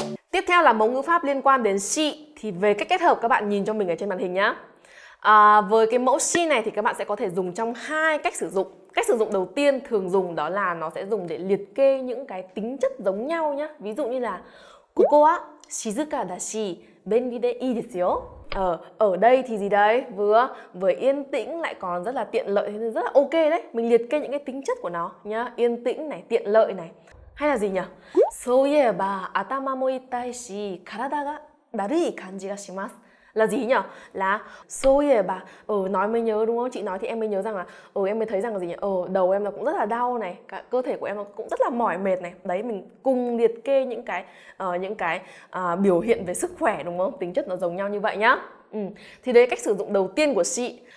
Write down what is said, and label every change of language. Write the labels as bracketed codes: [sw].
[vi] Tiếp theo là mẫu ngữ pháp liên quan đến si. Thì về cách kết hợp các bạn nhìn cho mình ở trên màn hình nhá. À, với cái mẫu si này thì các bạn sẽ có thể dùng trong hai cách sử dụng. Cách sử dụng đầu tiên thường dùng đó là nó sẽ dùng để liệt kê những cái tính chất giống nhau nhá. Ví dụ như là [ja] ここは静かだし便利でいいですよ. [vi] Ở đây thì gì đấy, vừa yên tĩnh lại còn rất là tiện lợi, thì rất là ok đấy. Mình liệt kê những cái tính chất của nó nhá, yên tĩnh này, tiện lợi này, hay là gì nhỉ? [ja] そういえば頭も痛いし体がだるい感じがします。 [vi] Là gì nhỉ? Là そういえば, ừ, nói mới nhớ đúng không? Chị nói thì em mới nhớ rằng là em mới thấy rằng là gì nhỉ? Đầu em là cũng rất là đau này, cả cơ thể của em nó cũng rất là mỏi mệt này. Đấy, mình cùng liệt kê những cái biểu hiện về sức khỏe đúng không? Tính chất nó giống nhau như vậy nhá. Ừ, thì đấy cách sử dụng đầu tiên của chị.